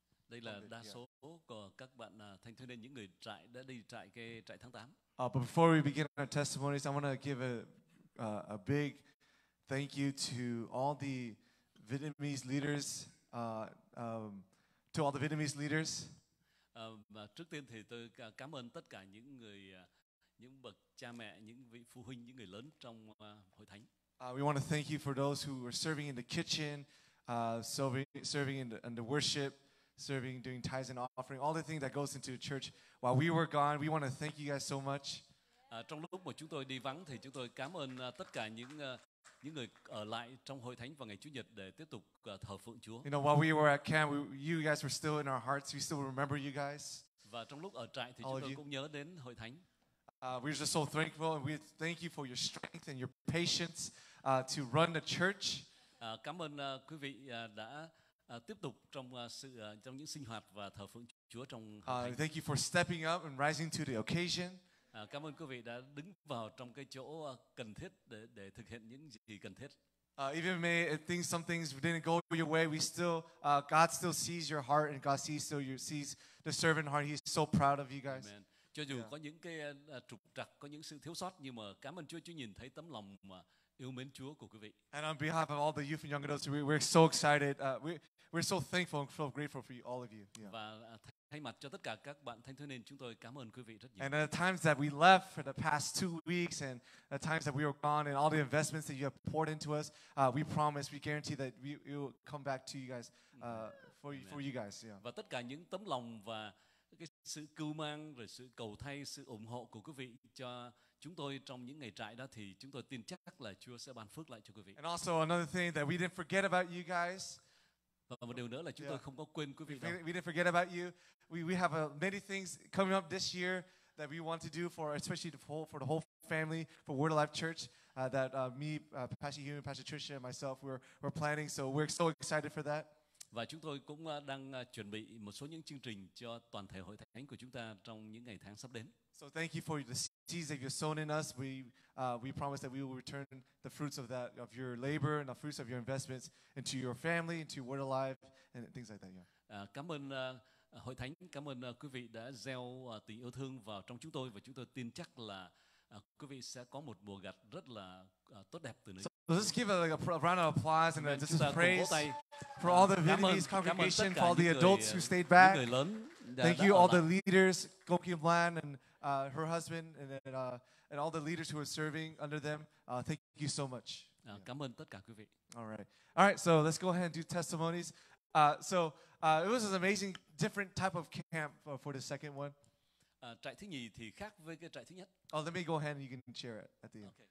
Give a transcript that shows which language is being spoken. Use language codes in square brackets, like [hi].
[vi] đây là đa số của các bạn thanh thiếu niên những người trại đã đi trại cái trại tháng 8. [en] But before we begin our testimonies, I want to give a big thank you to all the Vietnamese leaders. To all the Vietnamese leaders. [vi] Trước tiên thì tôi cảm ơn tất cả những người, những bậc cha mẹ, những vị phụ huynh, những người lớn trong hội thánh. [en] We want to thank you for those who are serving in the kitchen, serving in the worship, serving, doing tithes and offering, all the things that goes into the church. While we were gone, we want to thank you guys so much. [vi] Trong lúc mà chúng tôi đi vắng thì chúng tôi cảm ơn tất cả những người ở lại trong hội thánh vào ngày Chủ nhật để tiếp tục thờ phượng Chúa. [en] You know, while we were at camp, you guys were still in our hearts. We still remember you guys. [vi] Và trong lúc ở trại thì chúng tôi cũng nhớ đến hội thánh. [en] We're just so thankful and we thank you for your strength and your patience to run the church. [vi] Cảm ơn quý vị đã tiếp tục trong sự trong những sinh hoạt và thờ phượng Chúa trong hội thánh. [en] Thank you for stepping up and rising to the occasion. [vi] Cảm ơn quý vị đã đứng vào trong cái chỗ cần thiết để thực hiện những gì cần thiết. [en] Even may think some things didn't go your way, we still God still sees your heart and God sees the servant heart. He's so proud of you guys. Amen. [vi] Cho dù có những cái trục trặc, có những sự thiếu sót, nhưng mà cảm ơn Chúa nhìn thấy tấm lòng mà yêu mến Chúa của quý vị. [en] And on behalf of all the youth and young adults, we're so excited. We're so thankful and so grateful for you, all of you. Yeah. [vi] Thay mặt cho tất cả các bạn thanh thiếu niên, chúng tôi cảm ơn quý vị rất nhiều. [en] And the times that we left for the past 2 weeks and the times that we were gone and all the investments that you have poured into us, we promise, we guarantee that we will come back to you guys for you guys. Yeah. [vi] Và tất cả những tấm lòng và cái sự cưu mang rồi sự cầu thay, sự ủng hộ của quý vị cho chúng tôi trong những ngày trại đó thì chúng tôi tin chắc là Chúa sẽ ban phước lại cho quý vị. [en] And also another thing that we didn't forget about you guys. [vi] Và một điều nữa là chúng tôi không có quên quý vị đâu. [en] We didn't forget about you. We have many things coming up this year that we want to do for the whole family, for Word of Life Church, that me, Pastor Hume, Pastor Trisha and myself we're planning, so we're so excited for that. [vi] Và chúng tôi cũng đang chuẩn bị một số những chương trình cho toàn thể hội thánh của chúng ta trong những ngày tháng sắp đến. [en] So thank you for the seeds that you've sown in us. We promise that we will return the fruits of that, of your labor and the fruits of your investments into your family, into Word of Life and things like that. Yeah. [vi] Cảm ơn hội thánh, cảm ơn quý vị đã gieo tình yêu thương vào trong chúng tôi và chúng tôi tin chắc là quý vị sẽ có một mùa gặt rất là tốt đẹp từ nơi. [en] So let's give a round of applause and just praise for all the Vietnamese congregation, for all the adults who stayed back. Thank you all the leaders, Go Kim Lan and her husband and all the leaders who are serving under them. Thank you so much. [vi] Cảm ơn tất cả quý vị. [en] All right. So let's go ahead and do testimonies. It was an amazing different type of camp for the second one. [vi] Trại thứ nhì thì khác với cái trại thứ nhất. [en] Oh, let me go ahead and you can share it at the end.